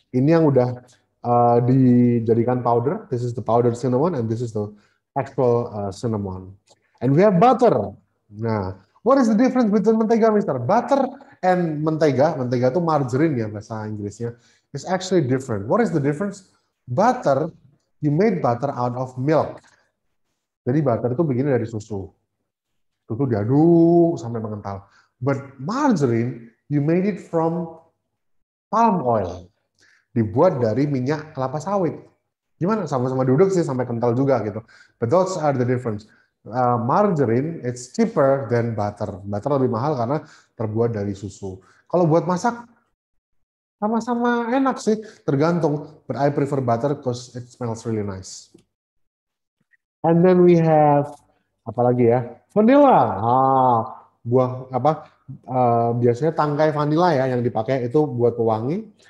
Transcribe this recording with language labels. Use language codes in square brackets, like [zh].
[id] Ini yang udah dijadikan powder. [en] This is the powdered cinnamon and this is the actual cinnamon. And we have butter. Nah, what is the difference between mentega, Mister? Butter and mentega. [id] Mentega itu margarin ya bahasa Inggrisnya. [en] It's actually different. What is the difference? Butter, you made butter out of milk. [id] Jadi butter itu begini dari susu. Susu diaduk sampai mengental. [en] But margarine, you made it from palm oil. [id] Dibuat dari minyak kelapa sawit. Gimana? Sama-sama duduk sih sampai kental juga gitu. [en] But those are the difference. Margarine, it's cheaper than butter. [id] Butter lebih mahal karena terbuat dari susu. Kalau buat masak, sama-sama enak sih, tergantung. [en] But I prefer butter because it smells really nice. And then we have, [id] apalagi ya, [en] vanilla. [id] Ah, buah apa, biasanya tangkai vanilla ya yang dipakai itu buat pewangi.